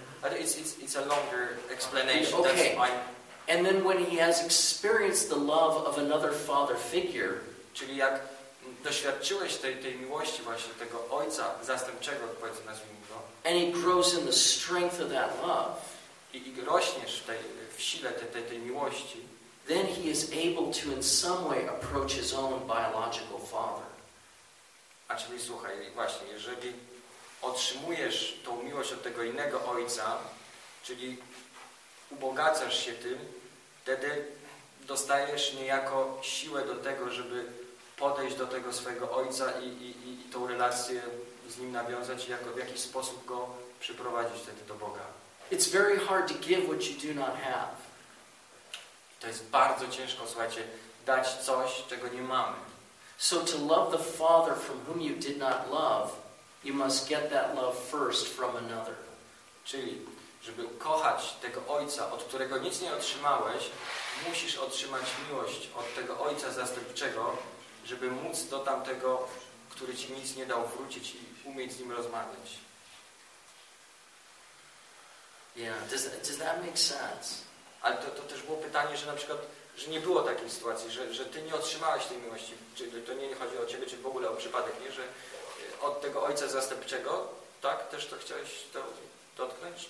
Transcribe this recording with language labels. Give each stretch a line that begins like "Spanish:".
English: But it's a longer explanation. Okay. That's fine. And then when he has experienced the love of another father figure,
Polish: czyli jak doświadczyłeś tej miłości właśnie tego ojca zastępczego, powiedzmy nazwijmy.
English: And he grows in the strength of that love.
Polish: I rośniesz w sile tej miłości.
English: Then he is able to in some way approach his own biological father.
Polish: A czyli słuchaj, właśnie, jeżeli otrzymujesz tą miłość od tego innego ojca, czyli ubogacasz się tym, wtedy dostajesz niejako siłę do tego, żeby podejść do tego swojego ojca i tą relację z nim nawiązać i jako w jakiś sposób go przyprowadzić wtedy do Boga.
English: It's very hard to give what you do not have.
Polish: To jest bardzo ciężko, słuchajcie, dać coś, czego nie mamy.
English: So to love the Father from whom you did not love, you must get that love first from another.
Polish: Czyli, żeby kochać tego ojca, od którego nic nie otrzymałeś, musisz otrzymać miłość od tego ojca zastępczego, żeby móc do tamtego, który ci nic nie dał, wrócić i umieć z nim rozmawiać.
English: Yeah, does that make sense?
Polish: Ale to też było pytanie, że na przykład, że nie było takiej sytuacji, że ty nie otrzymałeś tej miłości, czy to nie chodzi o ciebie, czy w ogóle o przypadek, nie? Że od tego ojca zastępczego, tak? Też to chciałeś to dotknąć?